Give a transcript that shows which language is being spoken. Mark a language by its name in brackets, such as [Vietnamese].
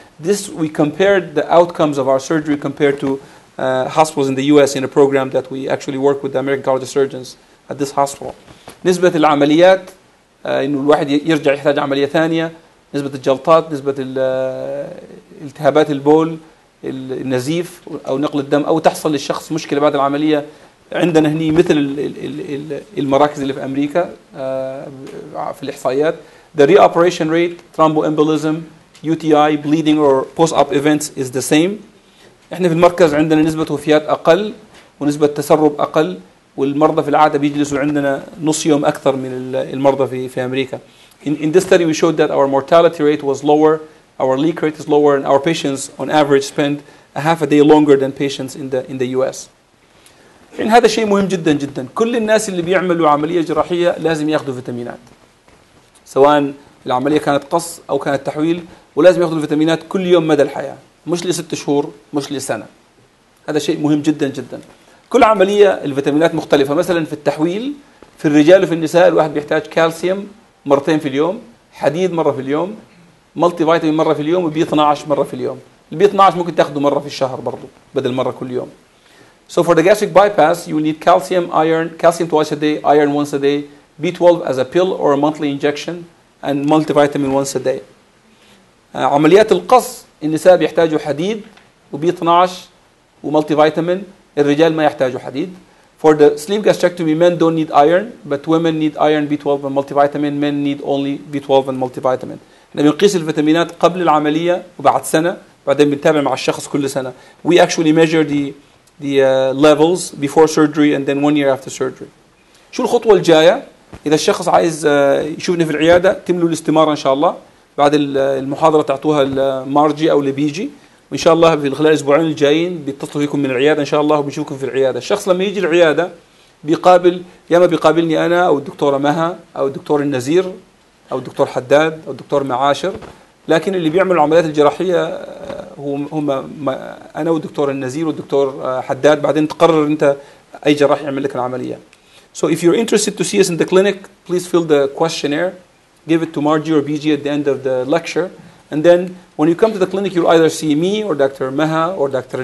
[English] This, we compared the outcomes of our surgery compared to hospitals in the US in a program that we actually work with the American College of Surgeons at this hospital. [Arabic] نسبة العمليات, إنه الواحد يرجع يحتاج عملية ثانية, نسبة الجلطات, نسبة التهابات البول النزيف أو نقل الدم أو تحصل للشخص مشكلة بعد العملية عندنا هني مثل المراكز اللي في أمريكا في الإحصائيات. [English] The reoperation rate, thromboembolism, UTI, bleeding or post-op events is the same. [Arabic] إحنا في المركز عندنا نسبة وفيات أقل ونسبة تسرب أقل, والمرضى في العادة بيجلسوا عندنا نص يوم أكثر من المرضى في أمريكا. [English] In this study we showed that our mortality rate was lower, our leak rate is lower, and our patients on average spend a half a day longer than patients in the US. [Arabic] إن هذا شيء مهم جدا جدا. كل الناس اللي بيعملوا عملية جراحية لازم يأخذوا فيتامينات, سواء العملية كانت قص أو كانت تحويل, ولازم يأخذوا الفيتامينات كل يوم مدى الحياة, مش لست شهور, مش لسنة. هذا شيء مهم جدا جدا. كل عملية الفيتامينات مختلفة. مثلا في التحويل, في الرجال وفي النساء الواحد بيحتاج كالسيوم مرتين في اليوم, حديد مرة في اليوم, ملتي فيتامين مرة في اليوم, وبي 12 مرة في اليوم. البي 12 ممكن تأخذه مرة في الشهر برضو بدل مرة كل يوم. [English] So for the gastric bypass, you need calcium, iron, calcium twice a day, iron once a day, B12 as a pill or a monthly injection, and multivitamin once a day. [Arabic] عمليات القص, النساء بيحتاجوا حديد وبي 12 وملتيفيتامين, الرجال ما يحتاجوا حديد. [English] For the sleeve gastrectomy, men don't need iron, but women need iron, B12 and multivitamin. Men need only B12 and multivitamin. [Arabic] احنا بنقيس الفيتامينات قبل العملية وبعد سنة, بعدين بنتابع مع الشخص كل سنة. [English] We actually measure the levels before surgery and then 1 year after surgery. [Arabic] شو الخطوة الجاية إذا الشخص عايز يشوفني في العيادة؟ تملوا الاستمارة إن شاء الله بعد المحاضرة, تعطوها المارجي أو لبيجي, وإن شاء الله في خلال أسبوعين الجايين بيتصلوا فيكم من العيادة إن شاء الله وبيشوفكم في العيادة. الشخص لما يجي العيادة بيقابل, يا ما بيقابلني أنا أو الدكتورة مها أو الدكتور النزير أو الدكتور حداد أو الدكتور معاشر, لكن اللي بيعمل العمليات الجراحية هم أنا والدكتور النزير والدكتور حداد. بعدين تقرر أنت أي جراح يعمل لك العملية. [English] So if you're interested to see us in the clinic, please fill the questionnaire, give it to Margie or BG at the end of the lecture, and then when you come to the clinic, you'll either see me or Dr. Maha or Dr.